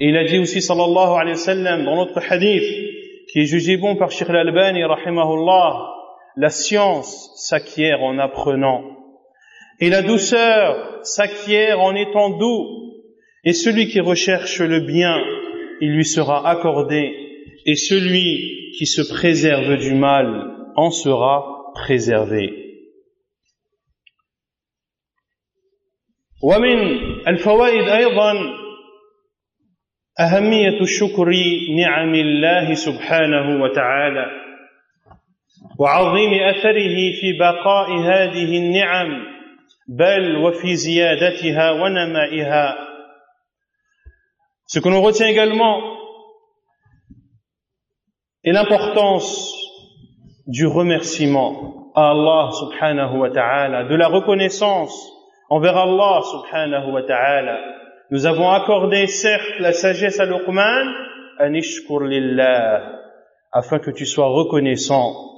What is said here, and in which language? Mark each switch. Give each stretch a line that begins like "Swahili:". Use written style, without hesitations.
French: Et il a dit aussi sallallahu alayhi wa sallam dans notre hadith qui est jugé bon par Cheikh l'Albani rahimahullah, la science s'acquiert en apprenant et la douceur s'acquiert en étant doux, et celui qui recherche le bien il lui sera accordé, et celui qui se préserve du mal en sera préservé.
Arabic: ومن الفوائد أيضا أهمية الشكر نعم الله سبحانه وتعالى وعظيم أثره في بقاء هذه النعم بل وفي زيادتها ونمائها.
French: Ce que l'on retient également est l'importance du remerciement à Allah subhanahu wa ta'ala, de la reconnaissance envers Allah subhanahu wa ta'ala. Nous avons accordé, certes, la sagesse à Luqman,
Arabic: anishkur lillah,
French: afin que tu sois reconnaissant.